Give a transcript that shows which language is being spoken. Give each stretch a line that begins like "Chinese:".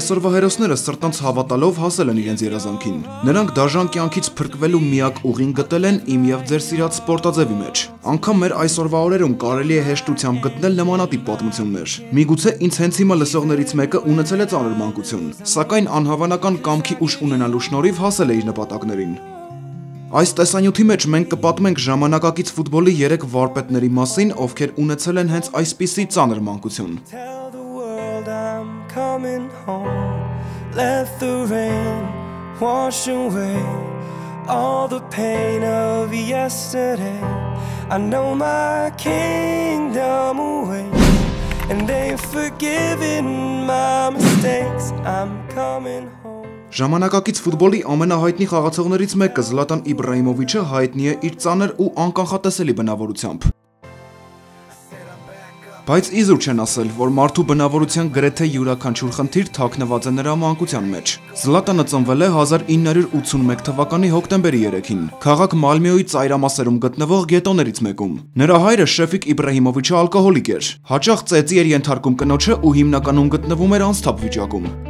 Armenian: այսօրվա հերոսները սրտանց հավատալով հասել են իրենց երազանքին։ Նրանք դաժան կյանքից փրկվելու միակ ուղին գտել են իմ եւ ձեր սիրած սպորտաձևի մեջ։ Անգամ մեր այսօրվա օրերում կարելի է հեշտությամբ գտնել նմանատիպ պատմություններ։ Միգուցե ինձ հենց հիմա լսողներից մեկը ունեցել է ծանր մանկություն, սակայն անհավանական կամքի ուժ ունենալու շնորհիվ հասել է իր նպատակներին։ Այս տեսանյութի մեջ մենք կպատմենք ժամանակակից ֆուտբոլի 3 վարպետների մասին, ովքեր ունեցել են հենց այսպիսի ծանր մանկություն։
English: Tell the world I'm coming home. Let the rain wash away all the pain of yesterday. I know my kingdom awaits and they've forgiven my mistakes. I'm coming home.
Armenian: Ժամանակակից ֆուտբոլի ամենահայտնի խաղացողներից մեկը Զլատան Իբրահիմովիչը հայտնի է իր ծանր ու անկանխատեսելի բնավորությամբ։ Բայց իզուր չեն ասել, որ մարդու բնավորության գրեթե յուրաքանչյուր խնդիր թաքնված է նրա մանկության մեջ։ Զլատանը ծնվել է 1981 թվականի հոկտեմբերի 3-ին, քաղաք Մալմեոյի ծայրամասերում գտնվող գետոներից մեկում։ Նրա հայրը Շեֆիկ Իբրահիմովիչը ալկոհոլիկ էր, հաճախ ծեծի էր ենթարկում կնոջը ու հիմնականում գտնվում էր անսթափ վիճակում։